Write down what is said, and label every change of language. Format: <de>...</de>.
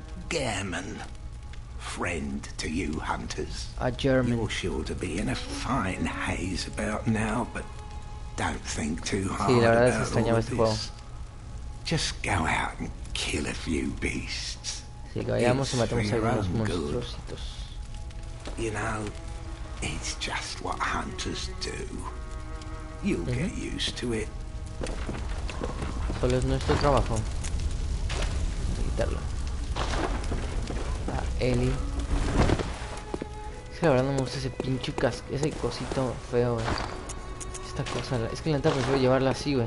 <en>German, friend to you hunters. A German. You're sure to be in a fine haze about now, but don't think too hard about all this. Just go out and kill a few beasts.</en> <es>Sí, que vayamos y matemos algunos monstruositos.</es> <en>You know, it's just what hunters do. You'll get used to it.</en> <es>Solo es nuestro trabajo. Vamos a quitarlo. A Eli. Es que la verdad no me gusta ese pinche casco, ese cosito feo, wey. Esta cosa, es que la neta prefiero llevarla así, wey.</es>